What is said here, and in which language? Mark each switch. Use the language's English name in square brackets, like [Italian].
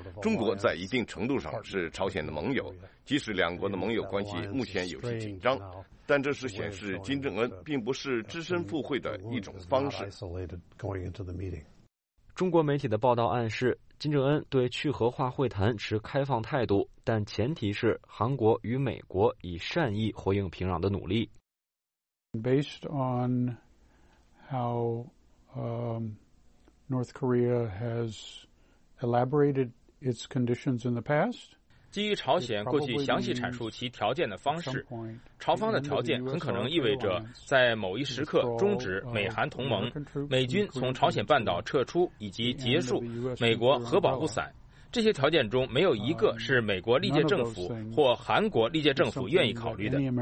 [Chinese] 中国在一定程度上是朝鲜的盟友，即使两国的盟友关系目前有些紧张，但这是显示金正恩并不是只身赴会的一种方式。中国媒体的报道暗示，金正恩对去核化会谈持开放态度，但前提是韩国与美国以善意回应平壤的努力。 [English] Based on how North Korea has elaborated its conditions in the past. [Chinese] 基于朝鲜过去详细阐述其条件的方式，朝方的条件很可能意味着在某一时刻终止美韩同盟，美军从朝鲜半岛撤出以及结束美国核保护伞。这些条件中没有一个是美国历届政府或韩国历届政府愿意考虑的。